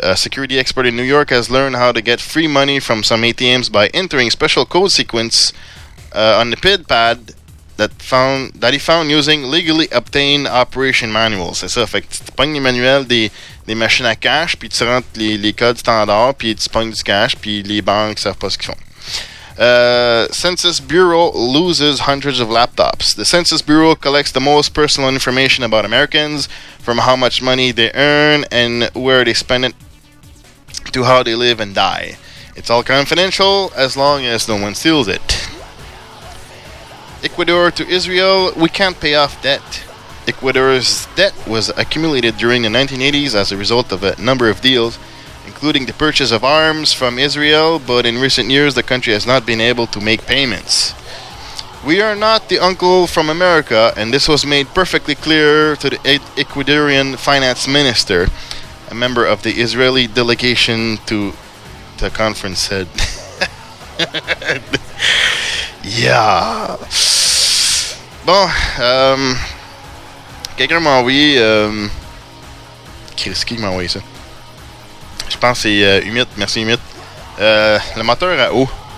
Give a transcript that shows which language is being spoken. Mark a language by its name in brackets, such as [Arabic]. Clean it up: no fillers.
[English] A security expert in New York has learned how to get free money from some ATMs by entering special code sequence on the PID pad that he found using legally obtained operation manuals. [French] C'est ça, fait que tu pognes les manuels des machines à cash, puis tu rentres les codes standards, puis tu pognes du cash, puis les banques savent pas ce qu'ils font. [English] Census Bureau loses hundreds of laptops. The Census Bureau collects the most personal information about Americans, from how much money they earn and where they spend it to how they live and die. It's all confidential as long as no one steals it. Ecuador to Israel, we can't pay off debt. Ecuador's debt was accumulated during the 1980s as a result of a number of deals, including the purchase of arms from Israel, but in recent years the country has not been able to make payments. We are not the uncle from America, and this was made perfectly clear to the Ecuadorian finance minister, a member of the Israeli delegation to the conference said. Yeah. [French] Bon, quelqu'un m'a envoyé, Chris, qui m'a envoyé ça? Je pense que c'est Humit. Merci Humit. Le moteur à eau.